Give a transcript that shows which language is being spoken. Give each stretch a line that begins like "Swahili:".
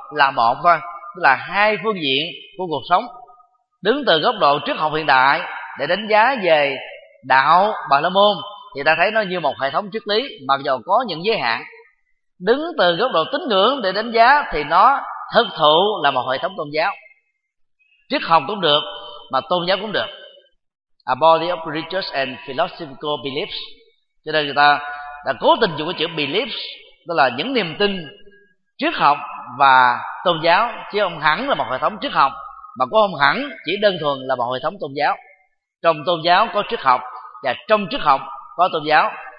Vietnamese: là một thôi, tức là hai phương diện của cuộc sống, đứng từ góc độ triết học hiện đại để đánh giá về đạo Bà La Môn thì ta thấy nó như một hệ thống triết lý mặc dù có những giới hạn. Đứng từ góc độ tín ngưỡng để đánh giá thì nó thực thụ là một hệ thống tôn giáo. Triết học cũng được mà tôn giáo cũng được.
English: A body of religious and philosophical beliefs.
Vietnamese: Cho nên người ta đã cố tình dùng cái chữ beliefs, đó là những niềm tin triết học và tôn giáo, chứ không hẳn là một hệ thống triết học, mà cũng không hẳn chỉ đơn thuần là một hệ thống tôn giáo. Trong tôn giáo có triết học và trong triết học có tôn giáo.